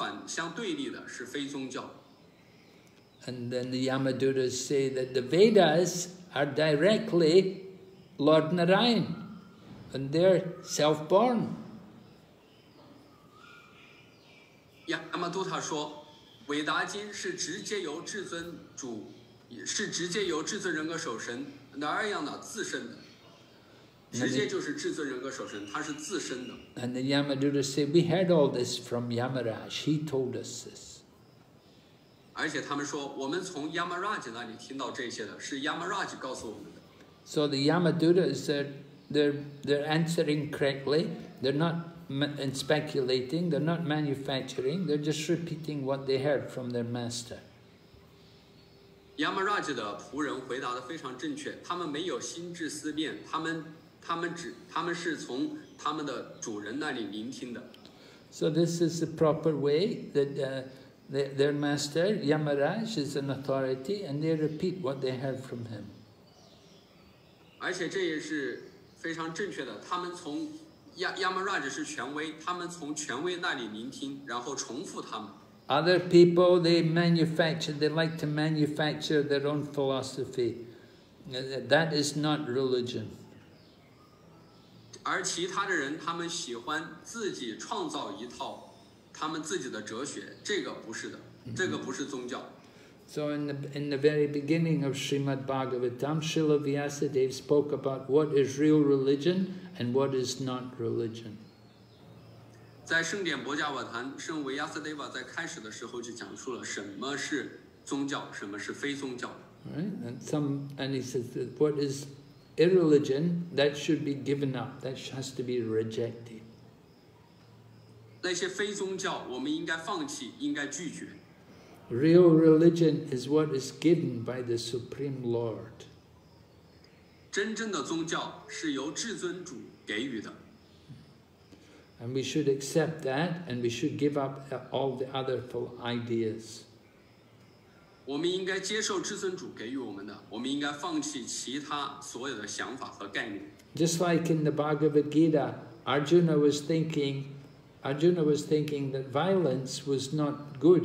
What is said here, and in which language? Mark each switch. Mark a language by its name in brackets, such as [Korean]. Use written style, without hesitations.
[Chinese] 而与伟达经中所描述的相悖的,相反,相对立的是非宗教。 [English] And then the Yamadutas say that the Vedas are directly Lord Narayan, and they're self-born. [Chinese] Yamadutta 说,伟达经是直接由至尊主,是直接由至尊人格守神,Narayana自身的,直接就是至尊人格守神,他是自身的。 [English] And the Yamadutta say, we heard all this from Yamaraj, he told us this. [Chinese] 而且他们说,我们从Yamaraj那里听到这些的,是Yamaraj告诉我们的。 [English] So the Yamadutta is that they're answering correctly, they're not and speculating, they're not manufacturing, they're just repeating what they heard from their master. [Chinese] Yamaraj的仆人回答得非常正确, 他们没有心智思辨, 他们只, 他们是从他们的主人那里聆听的。 [English] So this is the proper way that their master Yamaraj is an authority, and they repeat what they heard from him. [Chinese] 而且这也是非常正确的。他们从Yamaraj 是权威，他们从权威那里聆听，然后重复他们。 [English] Other people, they manufacture, they like to manufacture their own philosophy. That is not religion. [Chinese] 而其他的人，他们喜欢自己创造一套他们自己的哲学，这个不是的，这个不是宗教。 [English] So in the very beginning of Srimad Bhagavatam, Srila Vyasadeva spoke about what is real religion and what is not religion. [Chinese] 在圣典博迦瓦坛，圣维亚斯德瓦在开始的时候就讲出了什么是宗教，什么是非宗教。 [English] Right, and he says that what is irreligion, that should be given up, that has to be rejected. [Chinese] 那些非宗教，我们应该放弃，应该拒绝。 [English] Real religion is what is given by the Supreme Lord. [Chinese] 真正的宗教是由至尊主给予的。 [English] And we should accept that, and we should give up all the other ideas. [Chinese] 我们应该接受至尊主给予我们的，我们应该放弃其他所有的想法和概念。 [English] Just like in the Bhagavad Gita, Arjuna was thinking that violence was not good.